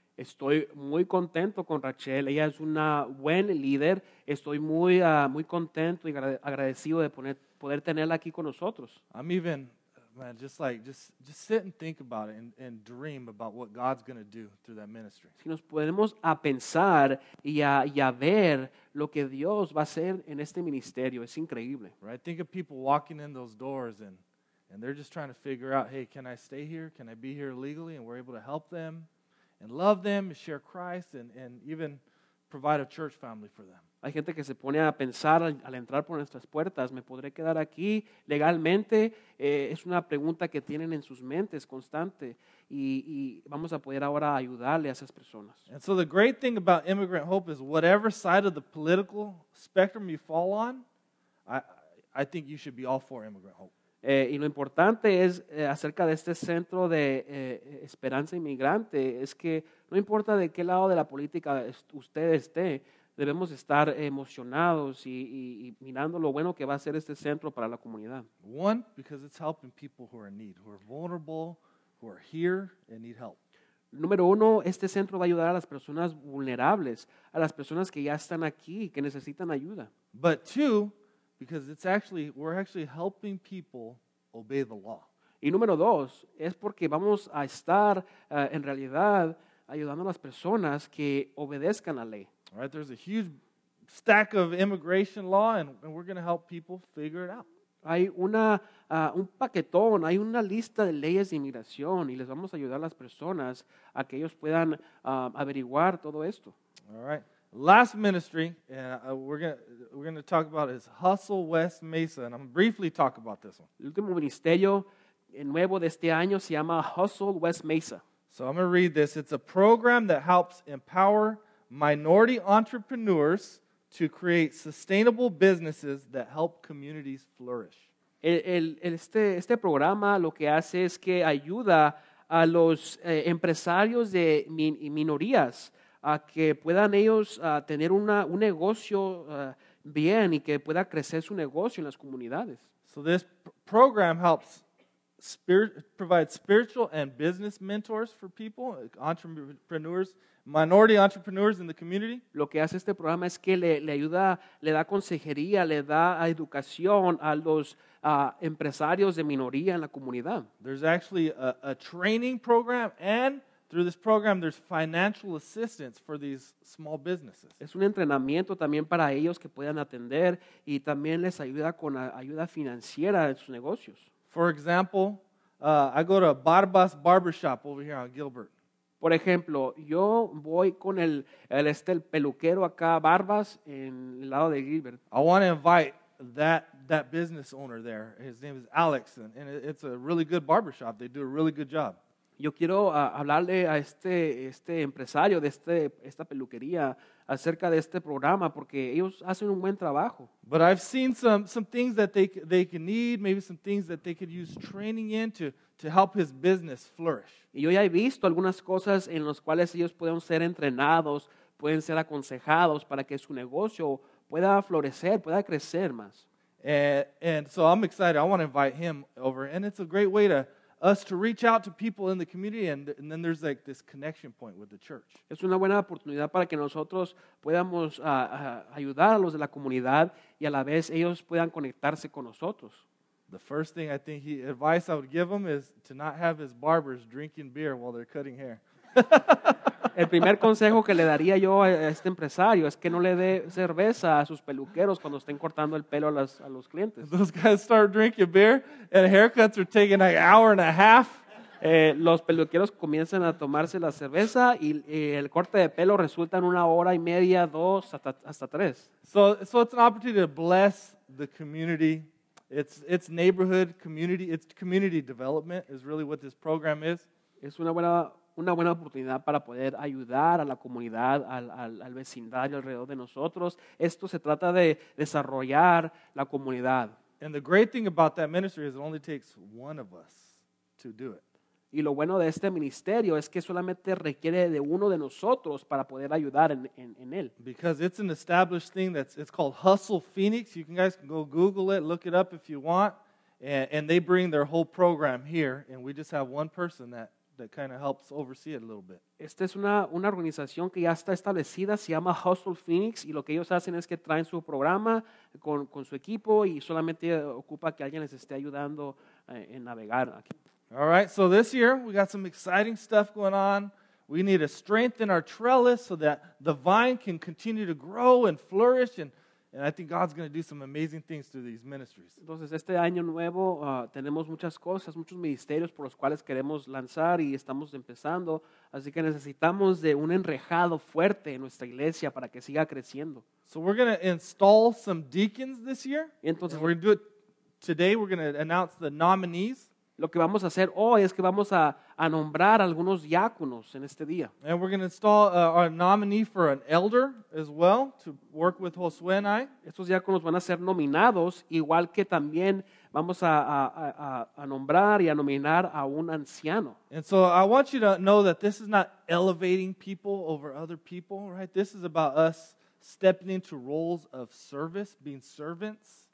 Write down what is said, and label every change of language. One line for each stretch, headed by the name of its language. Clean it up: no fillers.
Spanish: Estoy muy contento con Rachel. Ella es una buen líder. Estoy muy muy contento y agradecido de poder tenerla aquí con nosotros.
English: I'm even, man, just sit and think about it and dream about what God's going to do through that ministry.
Spanish: Si nos ponemos a pensar y a ver lo que Dios va a hacer en este ministerio, es increíble.
English: Right? Think of people walking in those doors and they're just trying to figure out, hey, can I stay here? Can I be here legally? And we're able to help them and love them and share Christ and even provide a church family for them.
Spanish: Hay gente que se pone a pensar al entrar por nuestras puertas, ¿me podré quedar aquí legalmente? Es una pregunta que tienen en sus mentes constante y vamos a poder ahora ayudarle a esas personas.
English: And so the great thing about Immigrant Hope is whatever side of the political spectrum you fall on, I think you should be all for Immigrant Hope.
Spanish: Y lo importante es acerca de este centro de esperanza inmigrante es que no importa de qué lado de la política usted esté, debemos estar emocionados y mirando lo bueno que va a ser este centro para la comunidad.
English: One, because it's helping people who are in need, who are vulnerable, who are here and need help.
Spanish: Número uno, este centro va a ayudar a las personas vulnerables, a las personas que ya están aquí, que necesitan ayuda.
English: But two, because it's actually, we're actually helping people obey the law.
Spanish: Y número dos, es porque vamos a estar en realidad ayudando a las personas que obedezcan la ley.
English: All right, there's a huge stack of immigration law, and we're going to help people figure it out.
Spanish: Hay un paquetón, hay una lista de leyes de inmigración, y les vamos a ayudar a las personas a que ellos puedan averiguar todo esto.
English: All right. Last ministry we're going to talk about is Hustle West Mesa, and I'm going to briefly talk about this one.
Spanish: El último ministerio nuevo de este año se llama Hustle West Mesa.
English: So I'm going to read this. It's a program that helps empower minority entrepreneurs to create sustainable businesses that help communities flourish.
Spanish: Este programa lo que hace es que ayuda a los empresarios de minorías a que puedan ellos tener un negocio bien y que pueda crecer su negocio en las comunidades.
English: So this program helps provide spiritual and business mentors for people, entrepreneurs, minority entrepreneurs in the community.
Spanish: Lo que hace este programa es que le ayuda, le da consejería, le da educación a los empresarios de minoría en la comunidad.
English: There's actually a training program, and through this program, there's financial assistance for these small businesses.
Spanish: Es un entrenamiento también para ellos que puedan atender y también les ayuda con ayuda financiera en sus negocios.
English: For example, I go to Barbas Barbershop over here on Gilbert.
Spanish: Por ejemplo, yo voy con el peluquero acá, Barbas, en el lado de Gilbert.
English: I want to invite that business owner there. His name is Alex, and it's a really good barbershop. They do a really good job.
Spanish: Yo quiero hablarle a este empresario de esta peluquería acerca de este programa porque ellos hacen un buen trabajo.
English: But I've seen some things that they can need, maybe some things that they could use training in to help his business flourish.
Spanish: Y yo ya he visto algunas cosas en las cuales ellos pueden ser entrenados, pueden ser aconsejados para que su negocio pueda florecer, pueda crecer más.
English: And so I'm excited. I want to invite him over. And it's a great way to us to reach out to people in the community, and then there's like this connection point with the church.
Spanish: Es una buena oportunidad para que nosotros podamos ayudar a los de la comunidad y a la vez ellos puedan conectarse con nosotros.
English: The first thing I think advice I would give them is to not have his barbers drinking beer while they're cutting hair.
Spanish: El primer consejo que le daría yo a este empresario es que no le dé cerveza a sus peluqueros cuando estén cortando el pelo a los clientes.
English: Those guys start drinking beer and haircuts are taking an hour and a half.
Spanish: Los peluqueros comienzan a tomarse la cerveza y el corte de pelo resulta en una hora y media, dos, hasta tres.
English: So it's an opportunity to bless the community. It's neighborhood community. It's community development is really what this program is.
Spanish: Es una buena oportunidad para poder ayudar a la comunidad, al vecindario alrededor de nosotros. Esto se trata de desarrollar la comunidad.
English: And the great thing about that ministry is it only takes one of us to do it.
Spanish: Y lo bueno de este ministerio es que solamente requiere de uno de nosotros para poder ayudar en él.
English: Because it's an established thing that's it's called Hustle Phoenix. You guys can go Google it, look it up if you want. And they bring their whole program here, and we just have one person that kind of helps oversee it a little bit.
Spanish: Esta es una organización que ya está establecida, se llama Hustle Phoenix, y lo que ellos hacen es que traen su programa con su equipo y solamente ocupa que alguien les esté ayudando en navegar aquí.
English: All right, so this year we got some exciting stuff going on. We need to strengthen our trellis so that the vine can continue to grow and flourish, and I think God's going to do some amazing things through these ministries.
Spanish: Entonces, este año nuevo tenemos muchas cosas, muchos ministerios por los cuales queremos lanzar y estamos empezando, así que necesitamos de un enrejado fuerte en nuestra iglesia para que siga creciendo.
English: So we're going to install some deacons this year.
Spanish: Entonces,
English: we're going to do it today. We're going to announce the nominees.
Spanish: Lo que vamos a hacer hoy es que vamos a nombrar algunos diáconos en este día.
English: And we're going to install our nominee for an elder as well to work with Josué and I.
Spanish: Estos diáconos van a ser nominados, igual que también vamos a nombrar y a nominar a un anciano.
English: And so I want you to know that this is not elevating people over other people, right? This is about us stepping into roles of service, being servants.